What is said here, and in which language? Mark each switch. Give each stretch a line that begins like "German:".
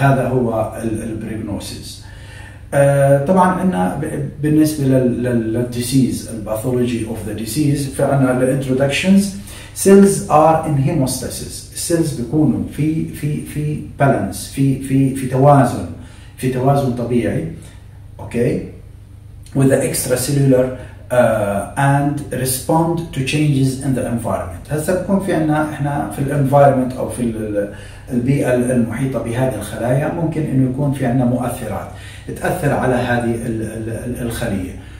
Arabic: هذا هو البروجنوسيس. طبعا عندنا بالنسبة للديسيز
English: الباثولوجي of the disease,
Arabic: فعندنا الانترودكشنز.
English: cells are in hemostasis. cells
Arabic: بيكونوا في
English: balance،
Arabic: في توازن، في توازن طبيعي،
English: okay، with the extracellular and respond to changes in the environment.
Arabic: هسا بكون في عنا إحنا في الانفايرمنت أو في البيئة المحيطة بهذه الخلايا، ممكن إنه يكون في عنا مؤثرات تأثر على هذه الخلية.